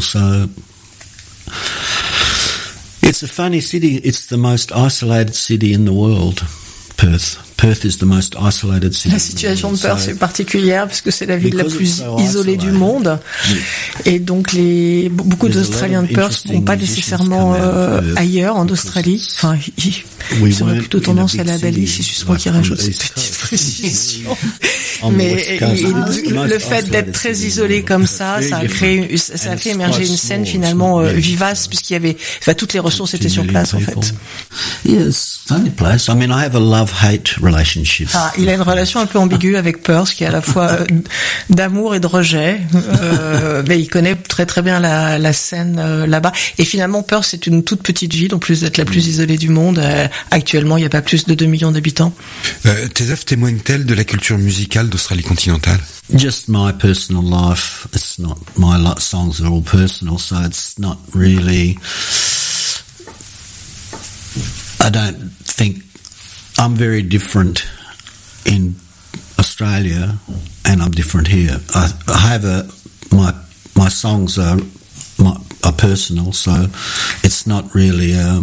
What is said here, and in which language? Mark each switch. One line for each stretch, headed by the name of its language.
English: So it's a funny city. It's the most isolated city in the world. Perth is the most isolated city.
French: La situation de Perth est particulière parce que c'est la ville la plus isolée du monde. Et donc, beaucoup d'Australiens de Perth ne vont pas nécessairement ailleurs, en Australie. Enfin, ils auraient plutôt tendance à aller à Bali, c'est juste moi qui rajoute cette petite précision. Mais le fait d'être très isolé comme ça, ça a fait émerger une scène finalement vivace, puisqu'il y avait, enfin, toutes les ressources étaient sur place, en fait.
English: Yes, funny place. I mean, I have a love-hate relationship.
French: Ah, il a une relation un peu ambiguë avec Perth, qui est à la fois d'amour et de rejet, mais il connaît très très bien la scène là-bas. Et finalement, Perth, c'est une toute petite ville, en plus d'être la plus isolée du monde. Actuellement, il n'y a pas plus de 2 millions d'habitants. Tes œuvres témoignent-elles de la culture musicale d'Australie continentale?
English: Just my personal life. It's not my songs are all personal, so it's not really. I don't think I'm very different in Australia, and I'm different here. I have my songs are personal, so it's not really.